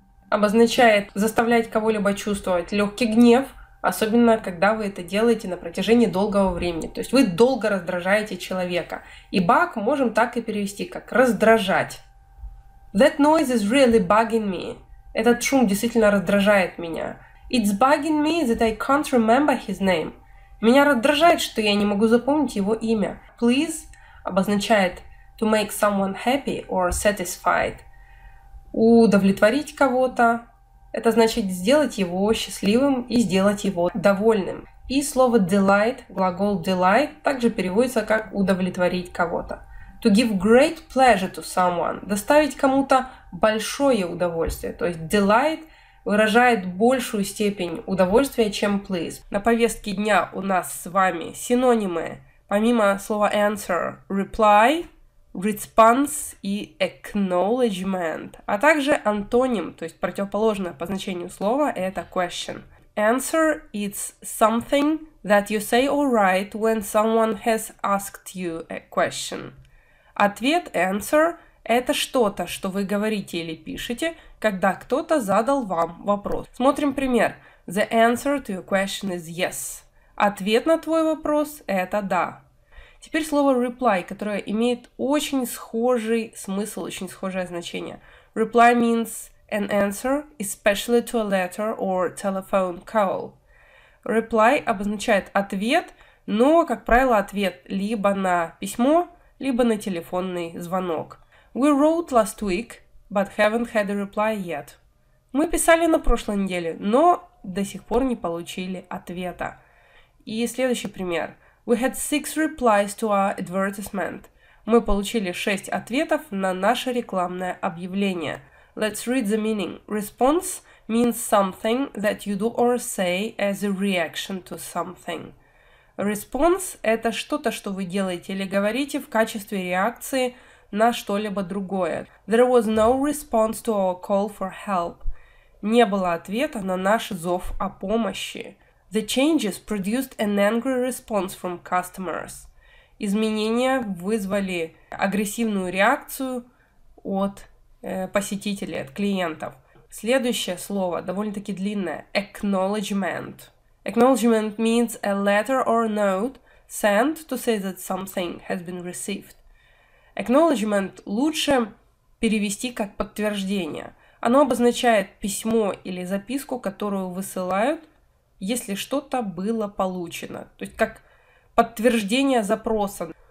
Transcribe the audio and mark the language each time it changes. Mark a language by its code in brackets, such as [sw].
[ru] обозначает заставлять кого-либо чувствовать легкий гнев, особенно когда вы это делаете на протяжении долгого времени. То есть вы долго раздражаете человека. И bug можем так и перевести, как раздражать. [en] That noise is really bugging me. [ru] Этот шум действительно раздражает меня. [en] It's bugging me that I can't remember his name. [ru] Меня раздражает, что я не могу запомнить его имя. [en] Please обозначает to make someone happy or satisfied. [ru] Удовлетворить кого-то. Это значит сделать его счастливым и сделать его довольным. И слово delight, глагол delight, также переводится как удовлетворить кого-то. [en] To give great pleasure to someone. [ru] Доставить кому-то большое удовольствие. То есть delight выражает большую степень удовольствия, чем please. На повестке дня у нас с вами синонимы. Помимо слова answer, reply, response и acknowledgement. А также антоним, то есть противоположное по значению слова, это question. [en] Answer – it's something that you say or write when someone has asked you a question. [ru] Ответ – answer – это что-то, что вы говорите или пишете, когда кто-то задал вам вопрос. Смотрим пример. [en] The answer to your question is yes. [ru] Ответ на твой вопрос – это да. Теперь слово reply, которое имеет очень схожий смысл, очень схожее значение. [en] Reply means an answer, especially to a letter or telephone call. [ru] Reply обозначает ответ, но, как правило, ответ либо на письмо, либо на телефонный звонок. [en] We wrote last week, but haven't had a reply yet. [ru] Мы писали на прошлой неделе, но до сих пор не получили ответа. И следующий пример. [en] We had 6 replies to our advertisement. [ru] Мы получили 6 ответов на наше рекламное объявление. [en] Let's read the meaning. Response means something that you do or say as a reaction to something. [ru] Response – это что-то, что вы делаете или говорите в качестве реакции на что-либо другое. [en] There was no response to our call for help. [ru] Не было ответа на наш зов о помощи. [en] The changes produced an angry response from customers. [ru] Изменения вызвали агрессивную реакцию от посетителей, от клиентов. Следующее слово довольно-таки длинное. [en] Acknowledgement. Acknowledgement means a letter or a note sent to say that something has been received. [ru] Acknowledgement лучше перевести как подтверждение. Оно обозначает письмо или записку, которую высылают, если что-то было получено. То есть как подтверждение запроса.